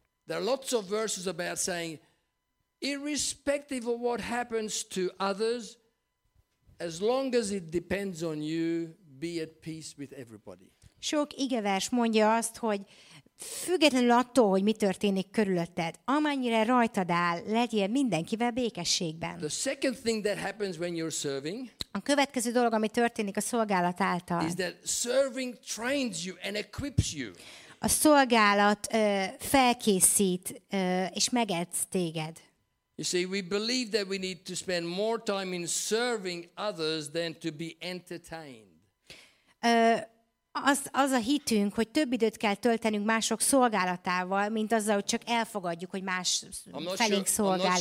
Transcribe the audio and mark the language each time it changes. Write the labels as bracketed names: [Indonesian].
[English] There are lots of verses about saying, irrespective of what happens to others, as long as it depends on you, be at peace with everybody. [Hungarian] Sok igevers mondja azt, hogy függetlenül attól, hogy mi történik körülötted, amennyire rajtad áll, legyél mindenkivel békességben. [English] The second thing that happens when you're serving, [Hungarian] a következő dolog, ami történik a szolgálat által, [English] is that serving trains you and equips you. [Hungarian] A szolgálat felkészít és megedz téged. [English] You see, we believe that we need to spend more time in serving others than to be entertained. [Hungarian] Az a hitünk, hogy több időt kell töltenünk mások szolgálatával, mint azzal, hogy csak elfogadjuk, hogy más felénk szolgál